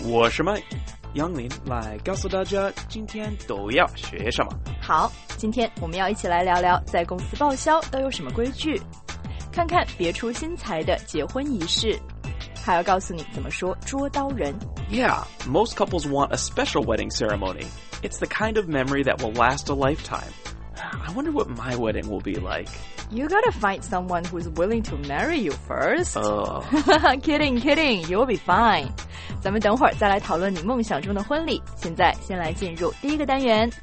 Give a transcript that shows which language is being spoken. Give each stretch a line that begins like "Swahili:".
Chinese: 我是麦杨林，来告诉大家今天都要学什么。好，今天我们要一起来聊聊在公司报销都有什么规矩，看看别出心裁的结婚仪式，还要告诉你怎么说捉刀人。
English: Yeah, most couples want a special wedding ceremony. It's the kind of memory that will last a lifetime. I wonder what my wedding will be like. You gotta find someone who's willing to marry you first. kidding, kidding, you'll be fine.
Chinese: 咱们等会儿再来讨论你梦想中的婚礼，现在先来进入第一个单元。